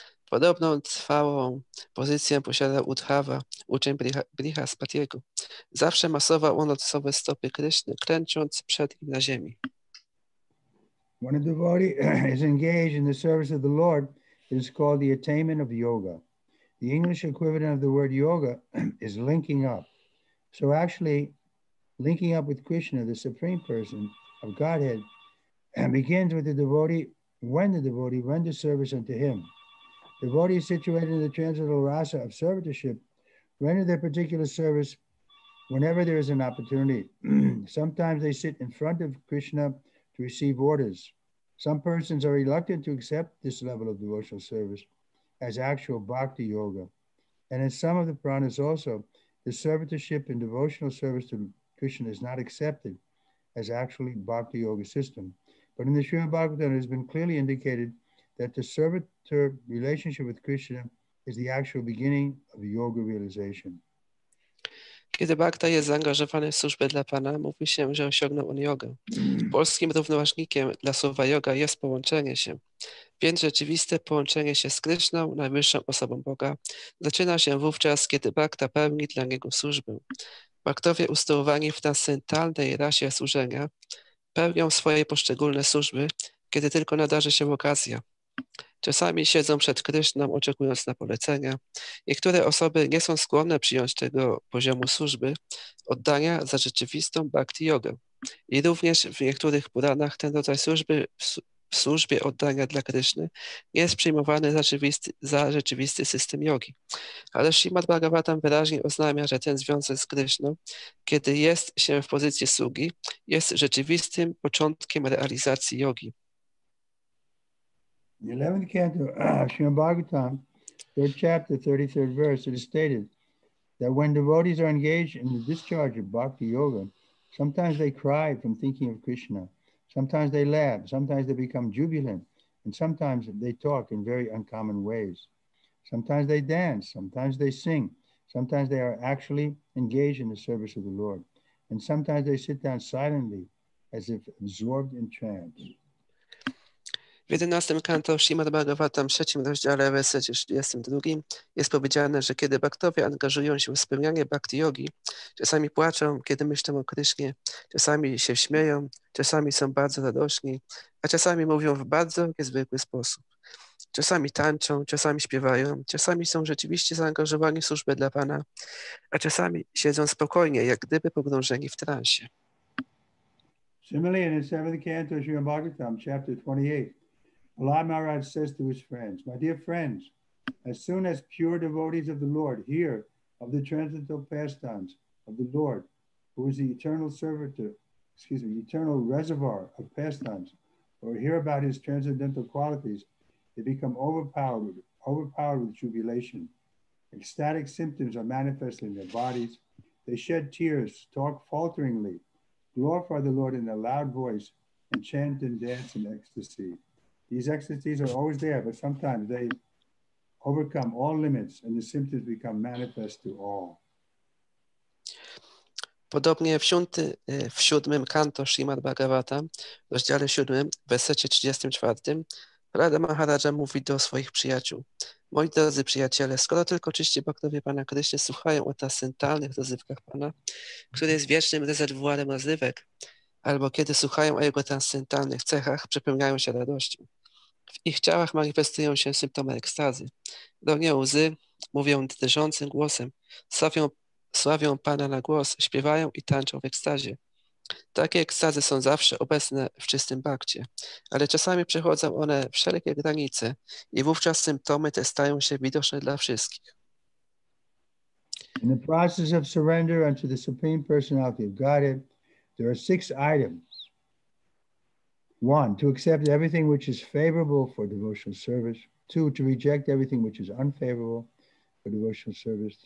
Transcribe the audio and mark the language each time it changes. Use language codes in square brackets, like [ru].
[pl] Podobną trwałą pozycję posiada Uddhava, uczeń Brihaspatiego. Zawsze masował on lotosowe stopy Krishny, klęcząc przed nim na ziemi. [en] When a devotee is engaged in the service of the Lord, it is called the attainment of yoga. The English equivalent of the word yoga is linking up. So actually, linking up with Krishna, the Supreme Person of Godhead, begins with the devotee, when the devotee renders service unto him. Devotees situated in the transcendental rasa of servitorship render their particular service whenever there is an opportunity. Sometimes they sit in front of Krishna to receive orders. Some persons are reluctant to accept this level of devotional service as actual bhakti yoga. And in some of the Puranas also, the servitorship and devotional service to Krishna is not accepted as actually bhakti yoga system. But in the Srimad Bhagavatam, it has been clearly indicated that the servitor relationship with Krishna is the actual beginning of yoga realization. [pl] Kiedy Bhakta jest zaangażowany w służbę dla Pana, mówi się, że osiągnął on jogę. Polskim równoważnikiem dla słowa yoga jest połączenie się. Więc rzeczywiste połączenie się z Kryszną, najwyższą osobą Boga, zaczyna się wówczas, kiedy Bhakta pełni dla Niego służbę. Bhaktowie usytuowani w transcendentalnej rasie służenia pełnią swoje poszczególne służby, kiedy tylko nadarzy się okazja. Czasami siedzą przed Krysztą, oczekując na polecenia. Niektóre osoby nie są skłonne przyjąć tego poziomu służby, oddania za rzeczywistą bhakti jogę. I również w niektórych Puranach ten rodzaj służby w służbie oddania dla Kryszny jest przyjmowany za rzeczywisty system jogi. Ale Śrimad Bhagavatam wyraźnie oznajmia, że ten związek z Kryszną, kiedy jest się w pozycji sługi, jest rzeczywistym początkiem realizacji jogi. [en] In the 11th canto of Srimad Bhagavatam, 3rd chapter, 33rd verse, it is stated that when devotees are engaged in the discharge of bhakti yoga, sometimes they cry from thinking of Krishna, sometimes they laugh, sometimes they become jubilant, and sometimes they talk in very uncommon ways. Sometimes they dance, sometimes they sing, sometimes they are actually engaged in the service of the Lord, and sometimes they sit down silently as if absorbed in trance. [pl] W 11 kanto Śrimad Bhagavatam, 3 rozdziale, wersecie 32, jest powiedziane, że kiedy bhaktowie angażują się w spełnianie bhakti yogi, czasami płaczą, kiedy myślą o Krysznie, czasami się śmieją, czasami są bardzo radośni, a czasami mówią w bardzo niezwykły sposób. Czasami tańczą, czasami śpiewają, czasami są rzeczywiście zaangażowani w służbę dla Pana, a czasami siedzą spokojnie, jak gdyby pogrążeni w transie. [en] Similarly, in the 7th canto of Srimad Bhagavatam, chapter 28, Prahlad Maharaj says to his friends, "My dear friends, as soon as pure devotees of the Lord hear of the transcendental pastimes of the Lord, who is the eternal servitor, eternal reservoir of pastimes, or hear about his transcendental qualities, they become overpowered with jubilation. Ecstatic symptoms are manifest in their bodies. They shed tears, talk falteringly, glorify the Lord in a loud voice, and chant and dance in ecstasy. These ecstasies are always there, but sometimes they overcome all limits and the symptoms become manifest to all." [pl] Podobnie w 7 kanto Srimad Bhagavata, w rozdziale 7, w wersecie 34, Prahlada Maharaja mówi do swoich przyjaciół: "Moi drodzy przyjaciele, skoro tylko czyści bhaktowie Pana Krishna słuchają o transcendentalnych rozrywkach Pana, który jest wiecznym rezerwuarem rozrywek, albo kiedy słuchają o jego transcendentalnych cechach, przepełniają się radością. W ich ciałach manifestują się symptomy ekstazy. Ronią łzy, mówią drżącym głosem, sławią Pana na głos, śpiewają i tańczą w ekstazie. Takie ekstazy są zawsze obecne w czystym bhakcie, ale czasami przechodzą one wszelkie granice i wówczas symptomy te stają się widoczne dla wszystkich." [en] In the process of surrender unto the Supreme Personality of Godhead, there are 6 items. 1, to accept everything which is favorable for devotional service. 2, to reject everything which is unfavorable for devotional service.